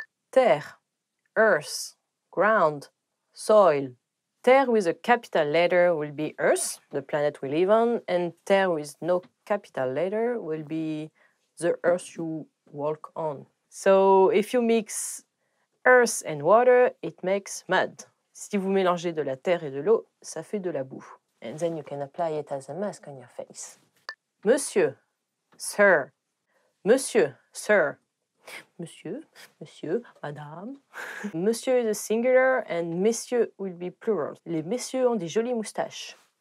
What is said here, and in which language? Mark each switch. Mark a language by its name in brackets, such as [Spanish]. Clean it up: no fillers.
[English] Terre, earth, ground, soil. Terre with a capital letter will be earth, the planet we live on, and terre with no capital letter will be the earth you walk on. So if you mix earth and water, it makes mud. [French] Si vous mélangez de la terre et de l'eau, ça fait de la boue. [English] And then you can apply it as a mask on your face. Monsieur, sir. Monsieur, sir. [French] Monsieur, monsieur, madame. [English] Monsieur is a singular and monsieur will be plural. [French] Les messieurs ont des jolies moustaches.